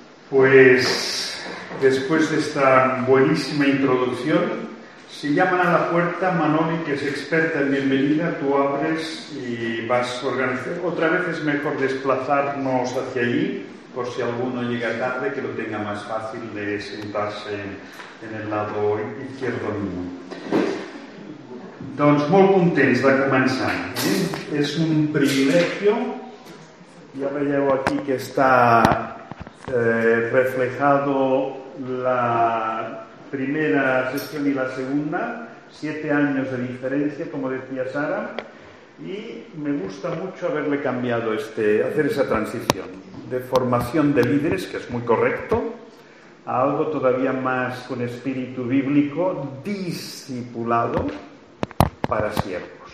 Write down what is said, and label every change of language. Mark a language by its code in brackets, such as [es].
[es] Pues después de esta buenísima introducción, si llaman a la puerta, Manoli, que es experta en bienvenida, tú abres y vas a organizar. Otra vez es mejor desplazarnos hacia allí, por si alguno llega tarde, que lo tenga más fácil de sentarse en el lado izquierdo mío. [ca] Doncs molt contents de començar. [es] És un privilegio. [ca] Ja veieu aquí que està [es] reflejado la primera sesión y la segunda, 7 años de diferencia, como decía Sara, y me gusta mucho haberle cambiado hacer esa transición de formación de líderes, que es muy correcto, a algo todavía más con espíritu bíblico, discipulado para siervos.